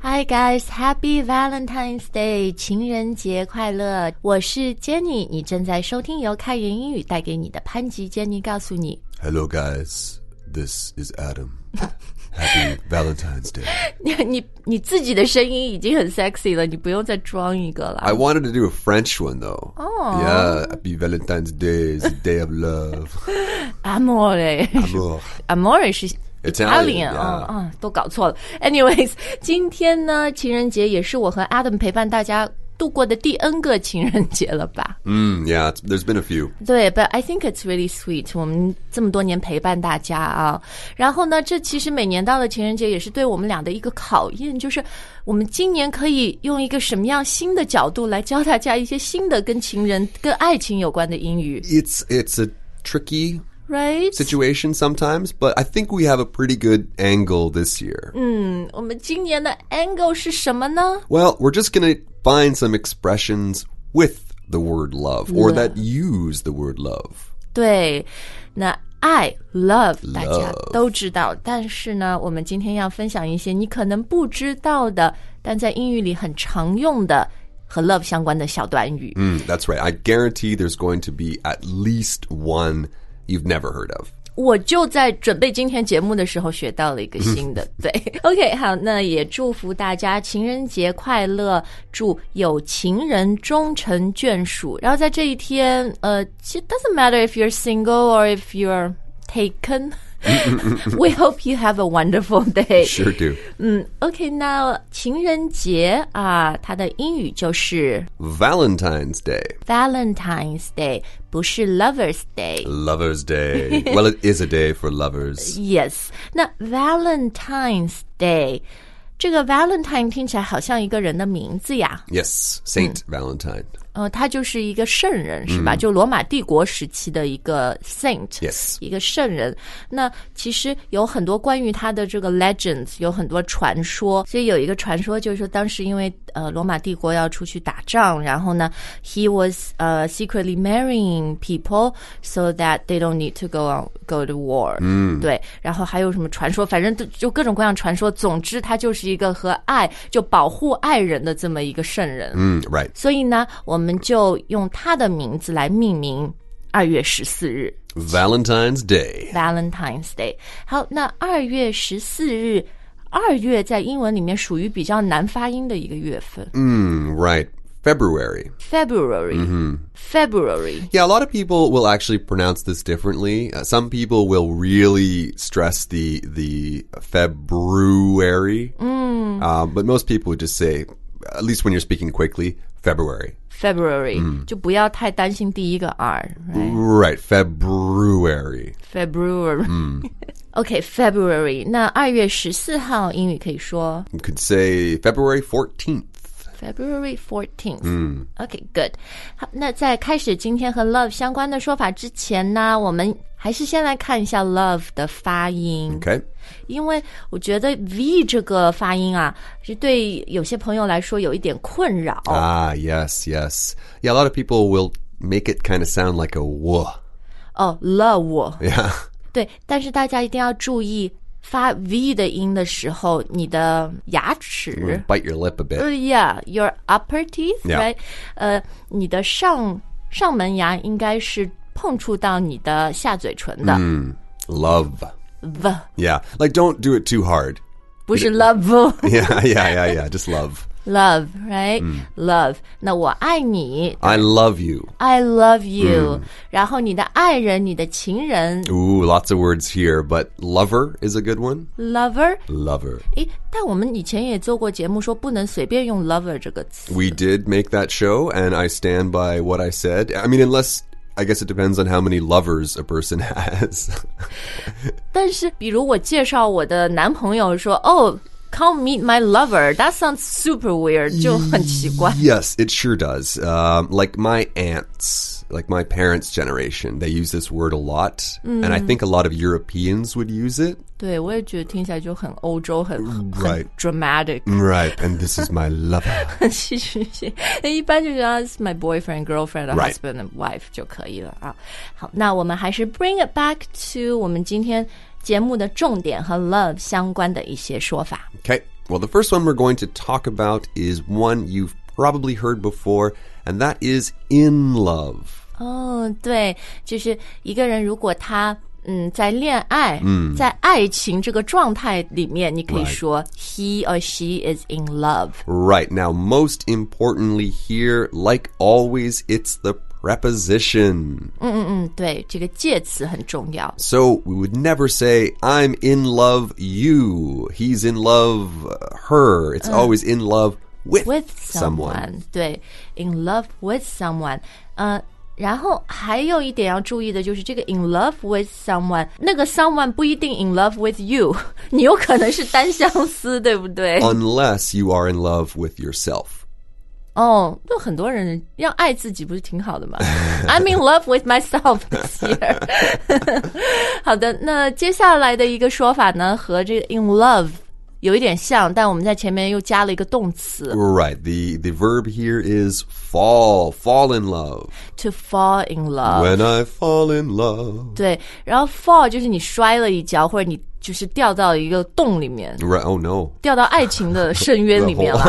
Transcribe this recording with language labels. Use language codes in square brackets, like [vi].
[en] guys, happy Valentine's Day, [zh] 情人节快乐。我是 Jenny, 你正在收听由开源英语带给你的潘吉 Jenny 告诉你。 [en] Hello guys, this is Adam. Happy Valentine's Day. [zh] 你自己的声音已经很 sexy 了，你不用再装一个了。 [en] I wanted to do a French one though. Oh. Yeah, happy Valentine's Day is a day of love. [it] Amore. Amore [zh] 是 [en] Italian, [zh] yeah. 都搞错了。 Anyways, 今天呢，情人节也是我和 Adam 陪伴大家度过的第 N 个情人节了吧。 [en] Yeah, there's been a few. [zh] 对 , [en] but I think it's really sweet, [zh] 我们这么多年陪伴大家啊。然后呢，这其实每年到了情人节也是对我们俩的一个考验，就是我们今年可以用一个什么样新的角度来教大家一些新的跟情人、跟爱情有关的英语。 [en] It's a tricky... Right? Situation sometimes, but I think we have a pretty good angle this year. [zh] 我们今年的 angle 是什么呢? [en] Well, we're just going to find some expressions with the word love, or that use the word love. [zh] 对,那爱 love, 大家都知道,但是呢,我们今天要分享一些你可能不知道的,但在英语里很常用的和 love 相关的小短语。 [en] That's right. I guarantee there's going to be at least one... You've never heard of. [zh] 我就在准备今天节目的时候学到了一个新的。对 ，OK， 好，那也祝福大家情人节快乐，祝有情人终成眷属。然后在这一天， [en] it doesn't matter if you're single or if you're taken. We hope you have a wonderful day. Sure do. [zh] OK， 那情人节啊，它的英语就是 [en] Valentine's Day. Valentine's Day. [zh] 不是 Lover's Day. [en] Lover's Day. Well, it is a day for lovers. Yes. [zh] 那 Valentine's Day, 这个 Valentine 听起来好像一个人的名字呀。 [en] Yes, Saint Valentine. [zh] 他就是一个圣人是吧、就罗马帝国时期的一个 Saint. [en] Yes. [zh] 一个圣人。那其实有很多关于他的这个 legends, 有很多传说。所以有一个传说就是说当时因为罗马帝国要出去打仗，然后呢 ， [en] he was secretly marrying people so that they don't need to go to war。 [zh] 对，然后还有什么传说，反正就各种各样传说。总之，他就是一个和爱就保护爱人的这么一个圣人。 [en] Right。 [zh] 所以呢，我们就用他的名字来命名二月十四日 [en] ，Valentine's Day。 [zh] Valentine's Day。 好，那二月十四日。二月在英文里面属于比较难发音的一个月份。 [en] Right. February. February. February. Yeah, a lot of people will actually pronounce this differently. Some people will really stress the February. But most people would just say, at least when you're speaking quickly, February. [zh] February,就不要太担心第一个 R, [en] right? February. February. Okay, February. [zh] 那2月14号英语可以说 [en] You could say February 14th. February 14th. Okay, good. [zh] 好，那在开始今天和 love 相关的说法之前呢，我们还是先来看一下 love 的发音。 [en] Okay. [zh] 因为我觉得 V 这个发音啊，是对有些朋友来说有一点困扰。 [en] Ah, yes, yes. Yeah, a lot of people will make it kind of sound like a W. Oh, love. Yeah. [zh] 对，但是大家一定要注意发 V 的音的时候，你的牙齿 [en] bite your lip a bit. Yeah, your upper teeth, yeah. right? [zh] 你的上门牙应该是碰触到你的下嘴唇的。 [en] Love. The. Yeah, like don't do it too hard. [zh] 不是 love. [en] yeah, just love. Love, right? Love. [zh] 那我爱你。 [en] I love you. I love you. [zh] 然后你的爱人，你的情人。 [en] Ooh, lots of words here, but lover is a good one. Lover? Lover. [zh] 但我们以前也做过节目说不能随便用 lover 这个词。 [en] We did make that show, and I stand by what I said. I mean, unless... I guess it depends on how many lovers a person has. [zh] 但是比如我介绍我的男朋友说 [en] Oh, come meet my lover. That sounds super weird. [zh] 就很奇怪。 [en] Yes, it sure does. Like my aunts, like my parents' generation, they use this word a lot. And I think a lot of Europeans would use it. [zh] 对我也觉得听起来就很欧洲很 [en] Right. [zh] 很 dramatic. [en] Right, and this is my lover. [zh] 是是是一般就叫 [en] It's my boyfriend, girlfriend, husband, and wife [zh] 就可以了啊。好，那我们还是 [en] bring it back to [zh] 我们今天节目的重点和 love 相关的一些说法。 [en] Okay. Well, the first one we're going to talk about is one you've probably heard before, and that is in love. [zh] Oh, 对，就是一个人如果他在恋爱、在爱情这个状态里面你可以说、 [en] he or she is in love. Right. Now, most importantly here, like always, it's the preposition. [zh] 对，这个介词很重要。 [en] So, we would never say, I'm in love you, he's in love her. It's always in love with someone. 对, in love with someone. [zh] 然后还有一点要注意的就是这个 in love with someone, 那个 someone 不一定 in love with you, 你有可能是单相思对不对 [en] Unless you are in love with yourself. [zh] 哦、oh, 就很多人要爱自己不是挺好的吗 [en] I'm in love with myself this year. [zh] 好的那接下来的一个说法呢和这个 in love有一点像但我们在前面又加了一个动词 [en] Right, the verb here is fall in love To fall in love When I fall in love [zh] 对然后 fall 就是你摔了一跤或者你就是掉到一个洞里面 [en] Right, oh no [zh] 掉到爱情的深渊里面了